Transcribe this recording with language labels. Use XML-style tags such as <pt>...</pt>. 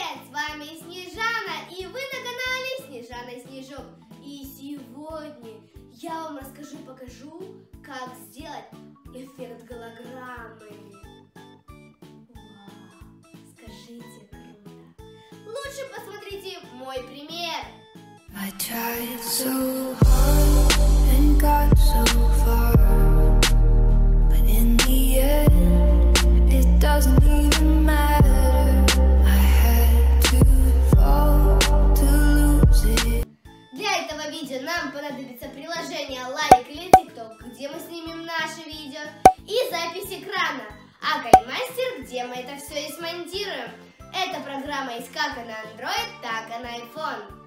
<ru>вами Снежана, и вы на канале Снежана и Снежок. И сегодня я вам расскажу и покажу, как сделать эффект голограммы. Вау, скажите, круто. Лучше посмотрите мой пример.</ru> <en>I tried so hard and got so far, but in the end it doesn't even matter. I had to fall to lose it.</en> <ru>Для этого видео нам понадобится приложение Like или TikTok, где мы снимем наше видео, и запись экрана, а GameMaster, где мы это все и смонтируем. Эта программа есть как и на Android, так и на iPhone.</ru>